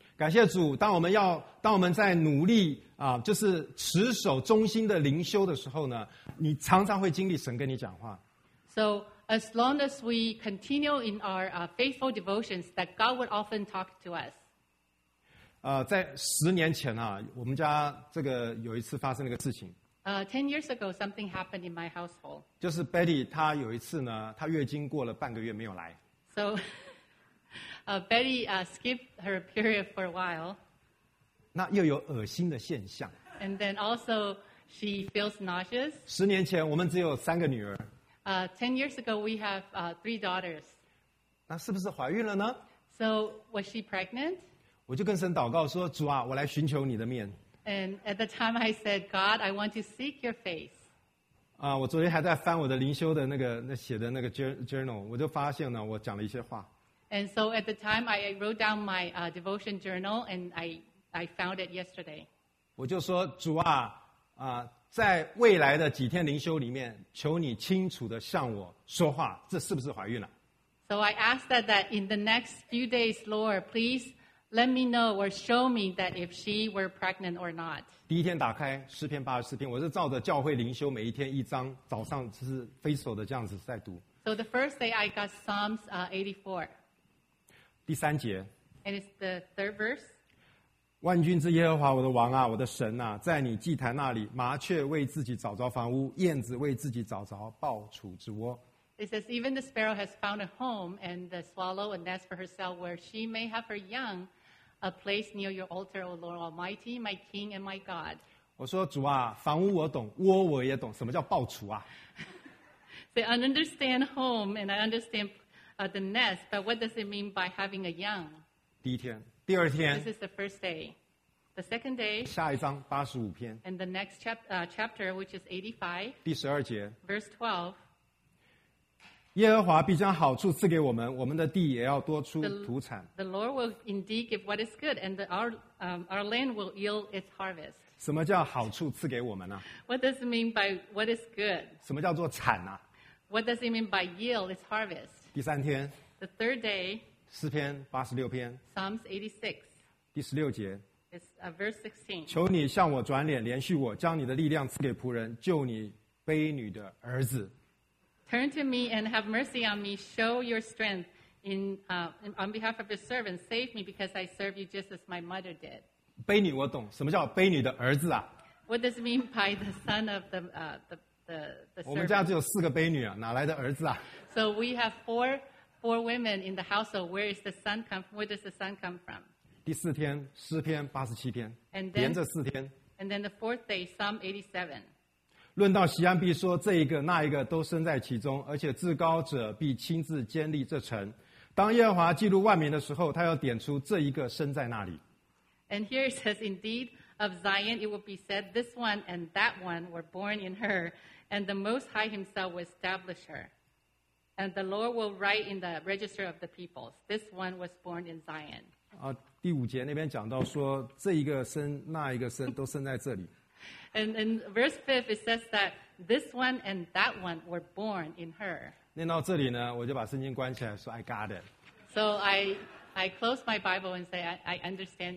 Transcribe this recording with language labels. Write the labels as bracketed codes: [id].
[zh] 感谢主，当我们在努力就是持守忠心的灵修的时候呢，你常常会经历神跟你讲话。 [en] So as long as we continue in our faithful devotions, that God would often talk to us. [zh] 在十年前啊，我们家这个有一次发生了一个事情。 [en] 10 years ago, something happened in my household. [zh] 就是 Betty, 她有一次呢，她月经过了半个月没有来。 [en] So, Betty skipped her period for a while. [zh] 那又有恶心的现象。 [en] And then also, she feels nauseous. [zh] 十年前，我们只有三个女儿。 [en] 10 years ago, we have three daughters. [zh] 那是不是怀孕了呢？ [en] So, was she pregnant? [zh] 我就跟神祷告说，主啊，我来寻求你的面。 [en] And at the time, I said, God, I want to seek your face. [zh] 我昨天还在翻我的灵修的那个那写的那个 journal， 我就发现呢，我讲了一些话。 [en] And so at the time, I wrote down my devotion journal, and I found it yesterday. [zh] 我就说，主啊，在未来的几天灵修里面，求你清楚地向我说话，这是不是怀孕了？ [en] So I asked that in the next few days, Lord, please. Let me know or show me that if she were pregnant or not. [zh] 第一天打开诗篇八十四篇，我是照着教会灵修每一天一章，早上就是 faithful 的这样子在读。 [en] So the first day I got Psalms 84. [zh] 第三节。 [en] And it's the third verse. [zh] 万军之耶和华我的王啊，我的神啊，在你祭坛那里，麻雀为自己找着房屋，燕子为自己找着抱雏之窝。 [en] It says, even the sparrow has found a home and the swallow a nest for herself where she may have her young, a place near your altar, O Lord Almighty, my King and my God. [zh] 我说主啊，房屋我懂，窝我也懂，什么叫抱雏啊？ [en] So I understand home and I understand the nest, but what does it mean by having a young? [zh] 第一天，第二天。 [en] This is the first day. The second day. [zh] 下一章八十五篇。 [en] And the next chapter, which is 85. [zh] 第十二节。 [en] Verse 12. [zh] 耶和华必将好处赐给我们，我们的地也要多出土产。 [en] The Lord will indeed give what is good, and our land will yield its harvest. [zh] 什么叫好处赐给我们呢？ [en] What does it mean by what is good? [zh] 什么叫做产呢？ [en] What does it mean by yield its harvest? [zh] 第三天。 [en] The third day. [zh] 诗篇八十六篇。 [en] Psalms 86. [zh] 第十六节。 [en] It's verse 16. [zh] 求你向我转脸，怜恤我，将你的力量赐给仆人，救你卑女的儿子。 [en] Turn to me and have mercy on me. Show your strength in, on behalf of your servant. Save me because I serve you just as my mother did. [zh] 卑女我懂，什么叫卑女的儿子啊？ [en] What does it mean by the son of the servant? [zh] 我们家只有四个卑女啊，哪来的儿子啊？ [en] So we have four women in the household. Where is the son come from? Where does the son come from? [zh] 第四天，诗篇八十七篇，连着四天。 [en] And then the fourth day, Psalm 87. [zh] 论到锡安必说，这一个那一个都身在其中，而且至高者必亲自坚立这城。当耶和华记录万民的时候，他要点出这一个身在那里。 [en] And here it says, indeed, of Zion, it will be said, this one and that one were born in her, and the Most High himself will establish her. And the Lord will write in the register of the peoples, this one was born in Zion. [zh] 第五节那边讲到说，这一个生，那一个生，都生在这里。 [en] And in verse 5, it says that this one and that one were born in her. [zh] 念到这里呢，我就把圣经关起来说 ， [en] I got it. So I close my Bible and say I understand.